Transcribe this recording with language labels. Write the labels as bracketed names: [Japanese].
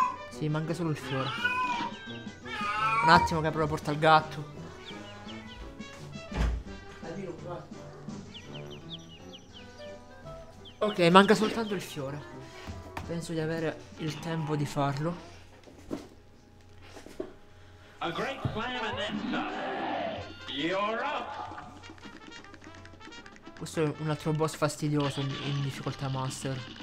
[Italian] Sì, manca solo il fiore. Un attimo che apro la porta al gatto. Ok, manca soltanto il fiore. Penso di avere il tempo di farlo. [English] A great climb and then stop. You're up. [Italian] Questo è un altro boss fastidioso in difficoltà master.